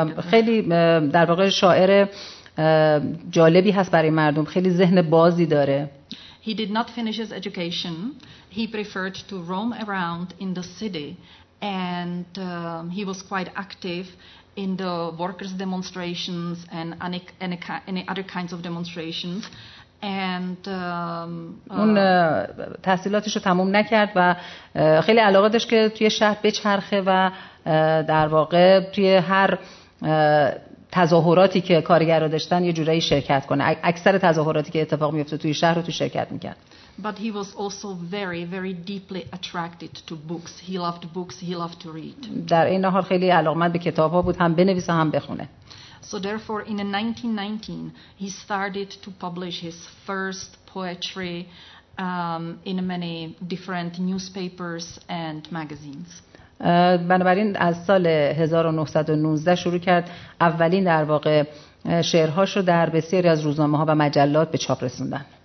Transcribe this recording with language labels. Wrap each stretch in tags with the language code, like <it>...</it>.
<fa>خیلی در واقع شاعر جالبی هست برای مردم، خیلی ذهن بازی داره.</fa> <en>He did not finish his education. He preferred to roam around in the city and he was quite active in the workers' demonstrations and any other kinds of demonstrations. And</en> <fa>اون تحصیلاتش رو تموم نکرد و خیلی علاقه داشت که توی شهر بچرخه و در واقع توی هر تظاهراتی که کارگرها داشتن یه جورایی شرکت کنه. اکثر تظاهراتی که اتفاق میفته توی شهر رو تو شرکت میکرد.</fa> <en>But he was also very very deeply attracted to books. He loved books, he loved to read.</en> <fa>در این حال خیلی علاقمند به کتاب‌ها بود، هم بنویسه هم بخونه.</fa> <en>So therefore in 1919 he started to publish his first poetry in many different newspapers and magazines.</en> <fa>بنابراین از سال 1919 شروع کرد اولین در واقع شعرهاش رو در بسیاری از روزنامه ها و مجلات به چاپ رسوندن.</fa>